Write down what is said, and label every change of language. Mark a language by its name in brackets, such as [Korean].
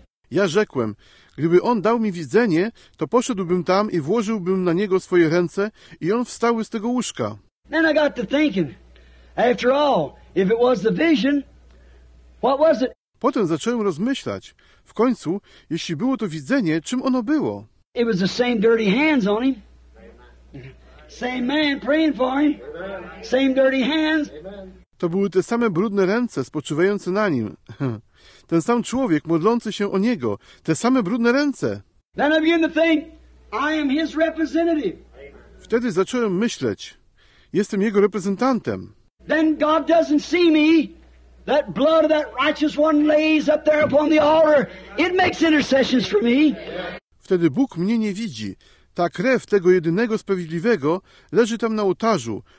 [Polish] Ja rzekłem, gdyby On dał mi widzenie, to poszedłbym tam i włożyłbym na Niego swoje ręce i On wstałby z tego łóżka. [English] Then I got to thinking, after all, if it was the vision, what was it? [Polish] Potem zacząłem rozmyślać. W końcu, jeśli było to widzenie, czym ono było? [English] It was the same dirty hands on him. Same man praying for him. Same dirty hands. [Polish] To były te same brudne ręce spoczywające na nim. Ten sam człowiek modlący się o niego. Te same brudne ręce. [English] Then I began to think, I am his representative. [Polish] Wtedy zacząłem myśleć. Jestem jego reprezentantem. [English] Then God doesn't see me. That blood of that righteous one lays up there upon the altar. It makes intercessions for me. [Polish] Wtedy Bóg mnie nie widzi. Ta krew tego jedynego sprawiedliwego leży tam na ołtarzu.